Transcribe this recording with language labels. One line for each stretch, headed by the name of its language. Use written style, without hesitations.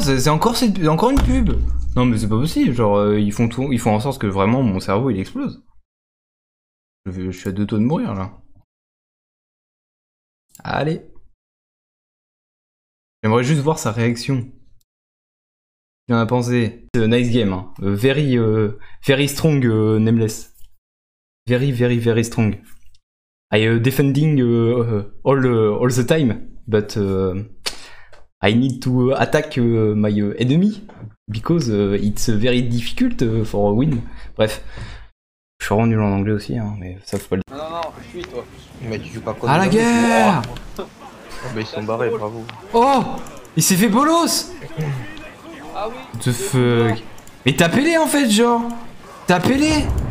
French: C'est encore, encore une pub? Non, mais c'est pas possible. Genre, ils font en sorte que vraiment mon cerveau il explose. Je suis à deux taux de mourir là. Allez. J'aimerais juste voir sa réaction. Il en a pensé. C'est
English: nice game.
French: Hein.
English: Very, very strong, Nameless. Very, very, very strong. I defending all the time. But I need to attack my enemy. Because it's very difficult for a win.
French: Bref. Je suis vraiment nul en anglais aussi, hein, mais ça faut pas le dire. Non, non, non, je suis toi. Mais tu joues pas quoi? À la guerre! Oh, mais ils sont barrés, cool. Bravo. Oh! Il s'est fait bolos! Ah oui!
English: What the fuck?
French: Mais tapez-les en fait, genre! Tapez-les!